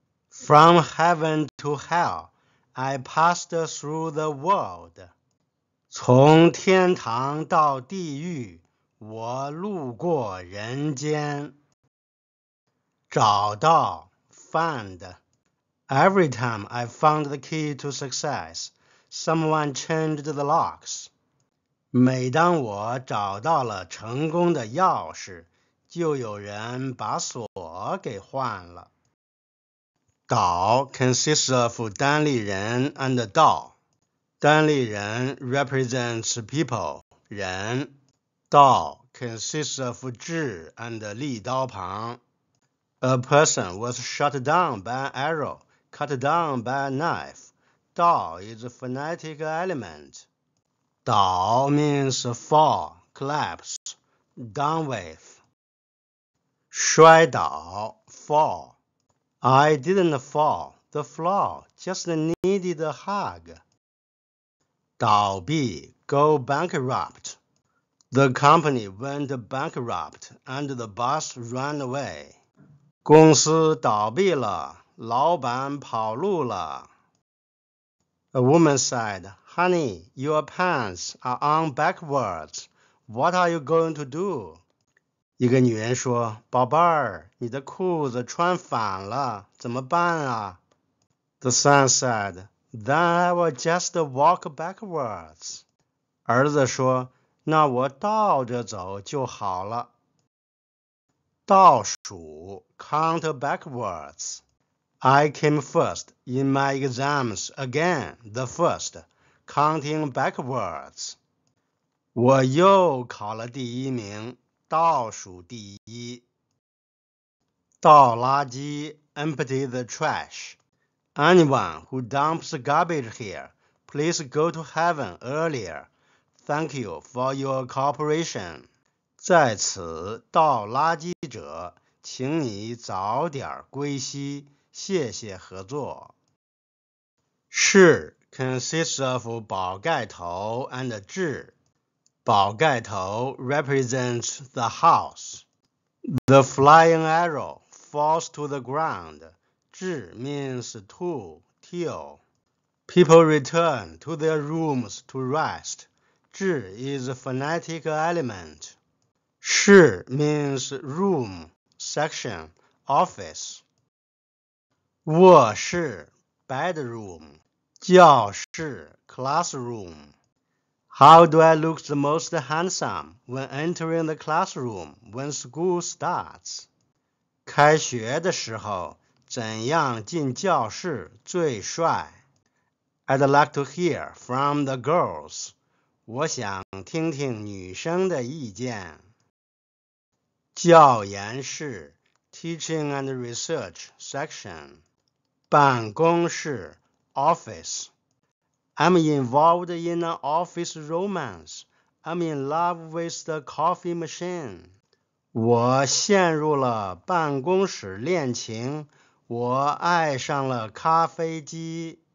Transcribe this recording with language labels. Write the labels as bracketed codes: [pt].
[en] From heaven to hell, I passed through the world. [zh] 从天堂到地狱，我路过人间。 [en] 找到 find. Every time I found the key to success, someone changed the locks. [zh] 每当我找到了成功的钥匙，就有人把锁给换了。 [en] 倒 consists of 单立人 and 倒。单立人 represents people, 人。倒 consists of 智 and 利刀旁。 A person was shot down by an arrow, cut down by a knife. 倒 is a phonetic element. 倒 means fall, collapse, down with. 摔倒 fall. I didn't fall, the floor just needed a hug. 倒闭 go bankrupt. The company went bankrupt and the boss ran away. [zh] 公司倒闭了，老板跑路了。 [en] A woman said, Honey, your pants are on backwards. What are you going to do? [zh] 一个女人说，宝贝儿，你的裤子穿反了，怎么办啊？ [en] The son said, Then I will just walk backwards. [zh] 儿子说，那我倒着走就好了。 [en] 倒数 count backwards. I came first in my exams again, the first, counting backwards. [zh] 我又考了第一名，倒数第一。 [en] 倒垃圾 empty the trash. Anyone who dumps garbage here, please go to heaven earlier. Thank you for your cooperation. [zh] 在此倒垃圾者，请你早点归西，谢谢合作。 [en] 是 consists of 宝盖头 and 至。宝盖头 represents the house. The flying arrow falls to the ground. 至 means to, till. People return to their rooms to rest. 至 is a phonetic element. 室 means room, section, office. 卧室 bedroom. 教室 classroom. How do I look the most handsome when entering the classroom when school starts? [zh] 开学的时候怎样进教室最帅? [en] I'd like to hear from the girls. [zh] 我想听听女生的意见。 [en] 教研室 Teaching and Research Section 办公室 Office I'm involved in an office romance. I'm in love with the coffee machine. [zh] 我陷入了办公室恋情。我爱上了咖啡机。